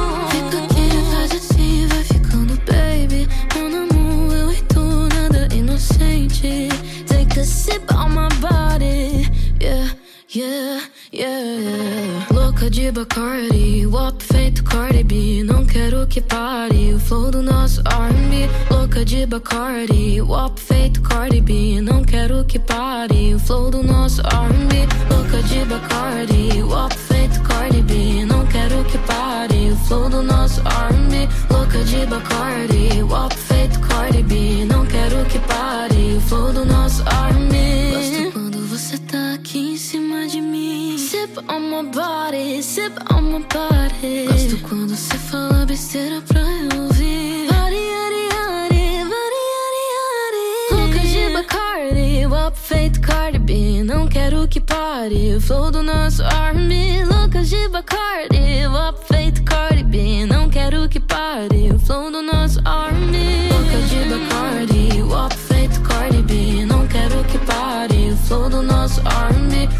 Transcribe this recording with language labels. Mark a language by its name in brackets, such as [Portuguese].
[Portuguese] Fica aqui atrás de ti, vai ficando baby. Meu namoro, eu e tu, nada inocente. [English] Take a sip on my body, yeah, yeah, yeah, yeah. [Portuguese] Louca de Bacardi, wop feito Cardi B. Não quero que pare o flow do nosso R&B. Louca de Bacardi, wop feito Cardi B. Não quero que pare o flow do nosso R&B. Louca de Bacardi, wop feito Cardi B. Não quero que pare o flow do nosso R&B. Louca de Bacardi, wop feito Cardi B. Não quero que pare o flow do nosso R&B. Gosto quando você tá aqui em cima de mim. [English] Sip on my body, sip on my body. [Portuguese] Gosto quando você fala besteira pra eu ouvir. [English] Body, body, body, body, body, body. [Portuguese] Louca de Bacardi, wop feito Cardi B. Não quero que pare o flow do nosso R&B. Louca de Bacardi, wop feito Cardi B. Não quero que pare o flow do nosso R&B. Louca de Bacardi, wop feito Cardi B. Não quero que pare o flow do nosso R&B.